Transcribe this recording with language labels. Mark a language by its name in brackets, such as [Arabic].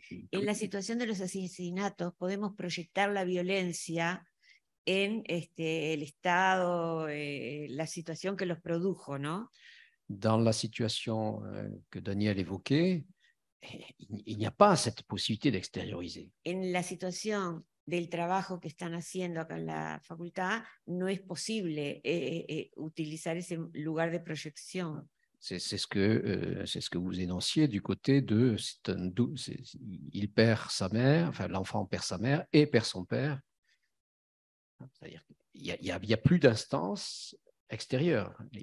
[Spanish] En la situación de los asesinatos, podemos proyectar la violencia en el estado, la situación que los produjo, ¿no? [French] Dans la situation que Daniel évoquait. Il n'y a pas cette possibilité d'extérioriser. [Spanish] En la situación del trabajo que están haciendo acá en la facultad, no es posible utilizar ese lugar de proyección. [French] C'est ce que vous énonciez du côté de il perd sa mère, enfin l'enfant perd sa mère et perd son père. C'est-à-dire il y a plus d'instance extérieure.